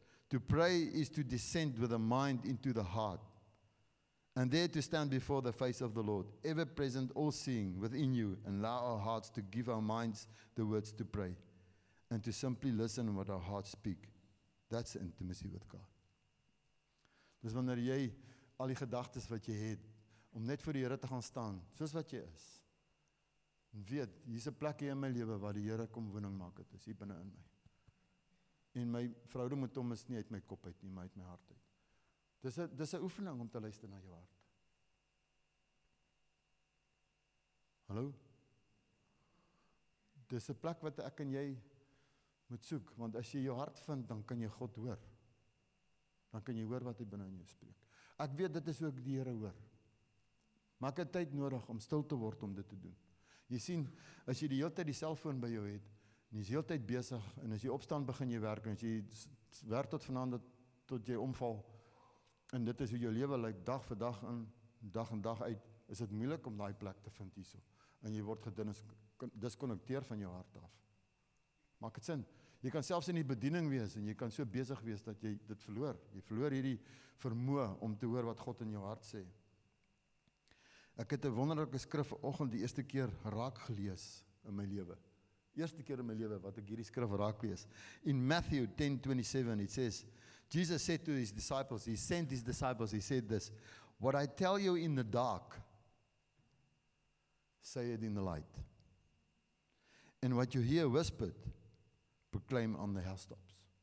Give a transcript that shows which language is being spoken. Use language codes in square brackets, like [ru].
[en] To pray is to descend with a mind into the heart. And there to stand before the face of the Lord, ever present, all seeing within you, and allow our hearts to give our minds the words to pray, and to simply listen what our hearts speak. That's intimacy with God. [af] Dis wanneer jy al die gedagtes wat jy het, om net voor die Here te gaan staan, soos wat jy is. En weet, hier's 'n plek hier in my lewe waar die Here kom woning maak het, is hier binne in my. En my verhouding met hom is nie uit my kop uit nie, maar uit my hart uit. Dis 'n oefening om te luister na jou hart. Hallo? Dis 'n plek wat ek en jy moet soek, want as jy jou hart vind, dan kan jy God hoor. Dan kan jy hoor wat hy binne in jou spreek. Ek weet dit is ook die Here hoor. Maak 'n tyd nodig om stil te word om dit te doen. Jy sien, as jy die hele tyd die selfoon by jou het, en jy is die hele tyd besig, en as jy opstaan begin jy werk, en as jy werk tot vanaand tot jy omval, en dit is hoe jou lewe lyk dag vir dag in, dag en dag uit, is dit moeilik om daai plek te vind hierso. En jy word gedisconnecteer van jou hart af. Maak dit sin. Jy kan selfs in die bediening wees, en jy kan so besig wees dat jy dit verloor. Jy verloor hierdie vermoë om te hoor wat God in jou hart sê. Ek het 'n wonderlike skrif vanoggend die eerste keer raak gelees in my lewe. Eerste keer in my lewe wat ek hierdie skrif raak lees. [en] In Matthew 10:27, it says, Jesus said to his disciples, he sent his disciples, he said this, what I tell you in the dark, say it in the light. And what you hear whispered, proclaim on the housetops.